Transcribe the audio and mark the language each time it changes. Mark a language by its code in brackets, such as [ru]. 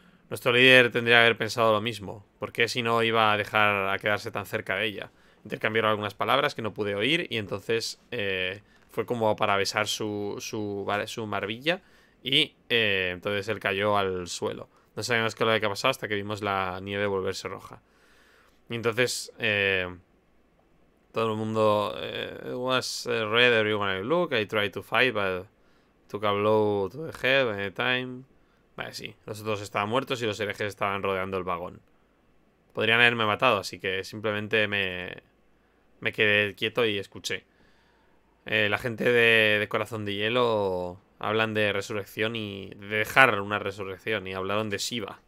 [es] Nuestro líder tendría que haber pensado lo mismo. ¿Por qué si no iba a dejar a quedarse tan cerca de ella? Intercambiaron algunas palabras que no pude oír y entonces fue como para besar su barbilla y entonces él cayó al suelo. No sabemos qué es lo que ha pasado hasta que vimos la nieve volverse roja. Y entonces todo el mundo [en] was red everyone I look, I tried to fight but took a blow to the head at the time. [es] Vale, sí. Los otros estaban muertos y los herejes estaban rodeando el vagón. Podrían haberme matado, así que simplemente me quedé quieto y escuché. La gente de Corazón de Hielo hablan de resurrección y... de dejar una resurrección y hablaron de Shiva.